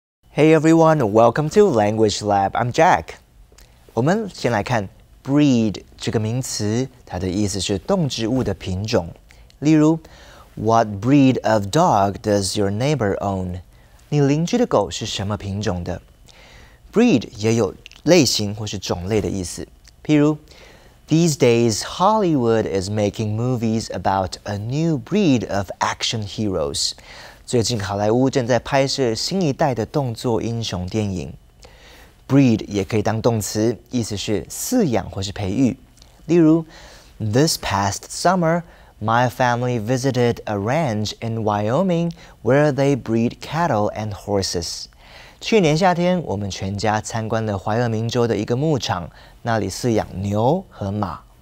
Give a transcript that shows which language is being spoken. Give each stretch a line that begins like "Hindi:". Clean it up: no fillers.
English: Hey everyone, welcome to Language Lab, I'm Jack.
Chinese: 我们先来看 breed 这个名词，它的意思是动植物的品种。例如
English: ,What breed of dog does your neighbor own?
Chinese: 你邻居的狗是什么品种的？ Breed 也有类型或是种类的意思。譬如
English: ,These days Hollywood is making movies about a new breed of action heroes.
Chinese: 最近好莱坞正在拍摄新一代的动作英雄电影。 Breed 也可以当动词，意思是饲养或是培育。例如
English: ,This past summer, my family visited a ranch in Wyoming where they breed cattle and horses.
Chinese: 去年夏天，我们全家参观了怀俄明州的一个牧场，那里饲养牛和马。